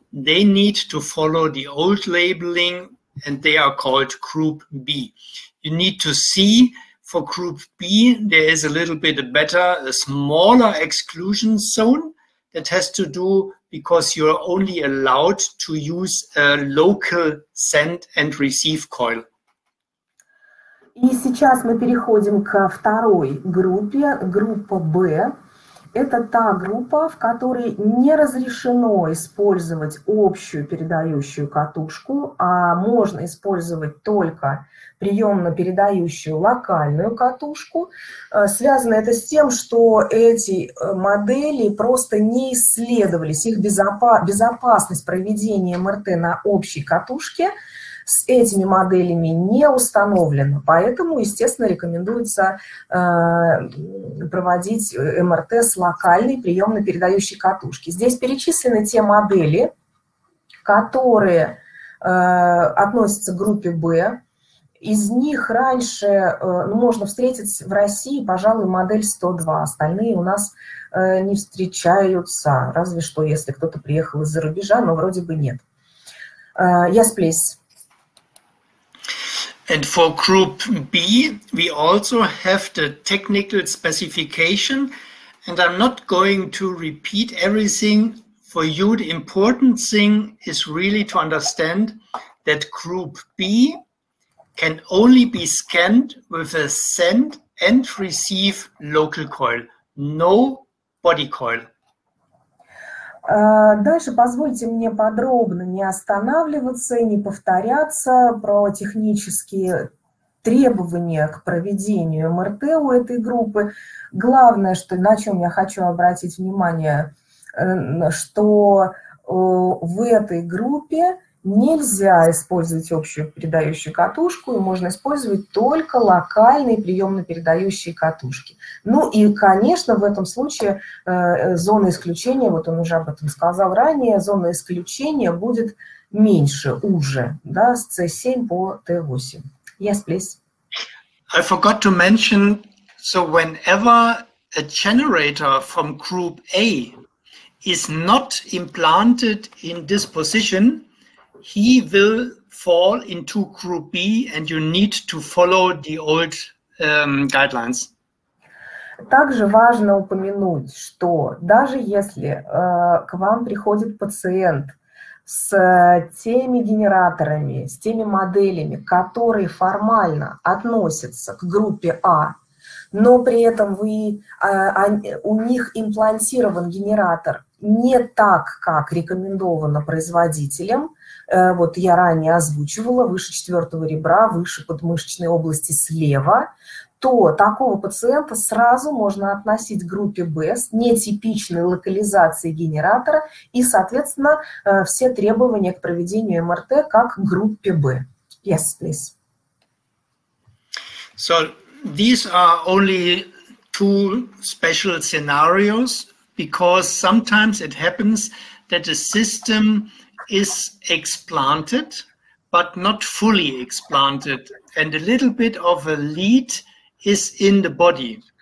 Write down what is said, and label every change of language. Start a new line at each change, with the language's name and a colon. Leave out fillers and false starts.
English: They need to follow the old labeling, and they are called group B. You need to see for group B, there is a little bit better, a smaller exclusion zone that has to do because you're only allowed to use a local send and receive coil.
Russian: И сейчас мы переходим ко второй группе, группа B. Это та группа, в которой не разрешено использовать общую передающую катушку, а можно использовать только приемно-передающую локальную катушку. Связано это с тем, что эти модели просто не исследовались. Их безопасность проведения МРТ на общей катушке с этими моделями не установлено, поэтому, естественно, рекомендуется проводить МРТ с локальной приемно-передающей катушки. Здесь перечислены те модели, которые относятся к группе Б. Из них раньше можно встретить в России, пожалуй, модель 102, остальные у нас не встречаются, разве что если кто-то приехал из-за рубежа, но вроде бы нет.
English: Yes, please. And for group B, we also have the technical specification, and I'm not going to repeat everything. For you, the important thing is really to understand that group B can only be scanned with a send and receive local coil, no body coil.
Russian: Дальше позвольте мне подробно не останавливаться и не повторяться про технические требования к проведению МРТ у этой группы. Главное, что, на чем я хочу обратить внимание, что в этой группе нельзя использовать общую передающую катушку, и можно использовать только локальные приемно-передающие катушки. Ну и, конечно, в этом случае зона исключения, вот он уже об этом сказал ранее, зона исключения будет меньше, уже, да, с C7 по T8.
English: Yes, please. I forgot to mention, so whenever a generator from group A is not implanted in this position, he will fall into group B, and you need to follow the old guidelines.
Russian: Также важно упомянуть, что даже если к вам приходит пациент с теми генераторами, с теми моделями, которые формально относятся к группе А, но при этом у них имплантирован генератор не так, как рекомендовано производителем, вот я ранее озвучивала, выше четвертого ребра, выше подмышечной области слева, то такого пациента сразу можно относить к группе Б с нетипичной локализацией генератора и, соответственно, все требования к проведению МРТ как к группе Б.
English: Yes, please. So these are only two special scenarios, because sometimes it happens that the system is explanted, but not fully explanted, and a little bit of a lead is in the body.